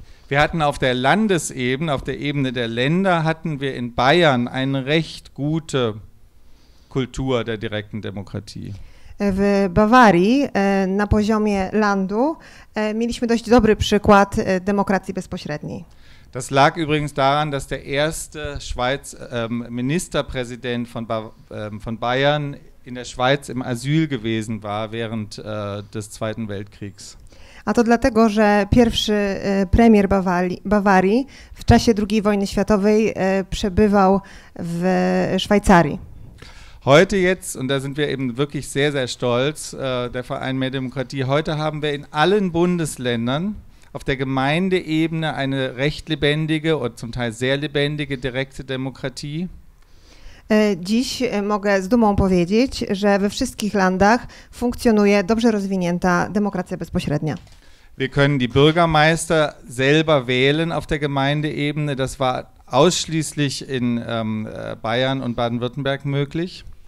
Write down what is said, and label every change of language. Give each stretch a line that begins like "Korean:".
German: Wir hatten auf der Landesebene, auf der Ebene der Länder, hatten wir in Bayern eine recht gute Kultur der direkten Demokratie.
Polish: W Bawarii na poziomie landu mieliśmy dość dobry przykład demokracji bezpośredniej.
German: Das lag übrigens daran, dass der erste Schweiz Ministerpräsident von von Bayern in der Schweiz im Asyl gewesen war während des Zweiten Weltkriegs.
Polish: A to dlatego, że pierwszy premier Bawarii w czasie II wojny światowej przebywał w Szwajcarii.
German: Heute jetzt, und da sind wir eben wirklich sehr, sehr stolz, der Verein Mehr Demokratie, heute haben wir in allen Bundesländern auf der Gemeindeebene eine recht lebendige und zum Teil sehr lebendige direkte Demokratie.
Polish: Dziś mogę z dumą powiedzieć, że we wszystkich landach funkcjonuje dobrze rozwinięta demokracja bezpośrednia.
German: Wir können die Bürgermeister selber wählen auf der Gemeindeebene. Das war ausschließlich in Bayern und Baden-Württemberg möglich.